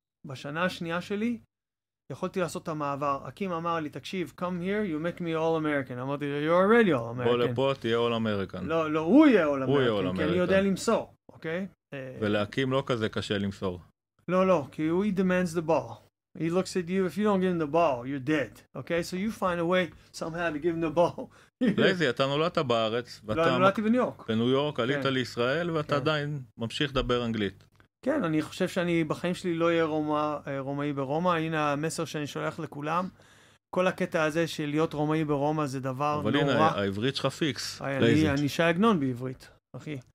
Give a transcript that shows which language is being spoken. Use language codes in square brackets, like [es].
[he] בשנה השנייה שלי, יכולתי לעשות את המעבר. אקים אמר לי, תקשיב, [en] come here, you make me all American. [he] אמרתי, [en] you're already all American. [he] בוא לפה, תהיה all American. לא, הוא יהיה all American. הוא יהיה all American. כי אני יודע למסור, אוקיי? ולאקים לא כזה קשה למסור. לא, כי הוא [en] demands the ball. He looks at you, if you don't give him the ball, you're dead. אוקיי? So you find a way somehow to give him the ball. [he] לזי, אתה נולדת בארץ. לא, נולדתי בניו יורק. בניו יורק, עלית לישראל, ואתה עדיין ממשיך לדבר אנגלית. כן, אני חושב שאני בחיים שלי לא יהיה רומאי ברומא. הנה המסר שאני שולח לכולם. כל הקטע הזה של להיות רומאי ברומא זה דבר אבל נורא. אבל הנה, העברית שלך פיקס. אני שי עגנון בעברית, אחי.